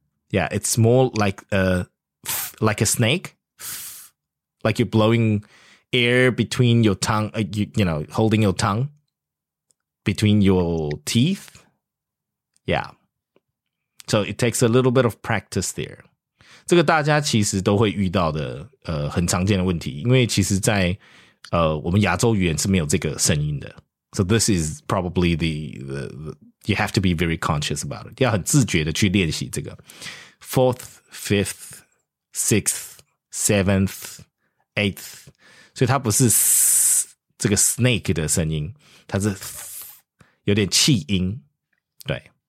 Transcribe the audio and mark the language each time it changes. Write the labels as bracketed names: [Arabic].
[English] Yeah, it's more like a snake, like you're blowing air between your tongue, you know, holding your tongue between your teeth. Yeah. So it takes a little bit of practice there. [Chinese] 这个大家其实都会遇到的很常见的问题，因为其实在我们亚洲语言是没有这个声音的。 [English] So this is probably the you have to be very conscious about it. [Chinese] 要很自觉的去练习这个。 [English] Fourth, fifth, sixth, seventh, eighth. [Chinese] 所以它不是这个 snake 的声音，它是有点气音。对。